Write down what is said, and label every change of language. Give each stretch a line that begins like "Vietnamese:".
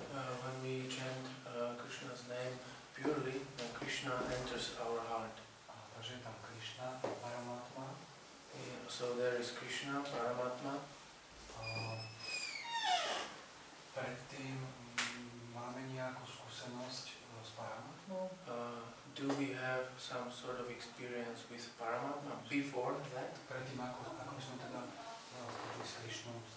English: When we chant Krishna's name purely, then Krishna enters our heart.
Slovak: Takže je tam Krišna, Paramatma.
English: Yeah, so there is Krishna, Paramatma.
Slovak: Predtým máme nejakú skúsenosť s Paramatmou?
English: Do we have some sort of experience with Paramatma before that?
Slovak: Predtým ako sme teda spojili s Krišnou?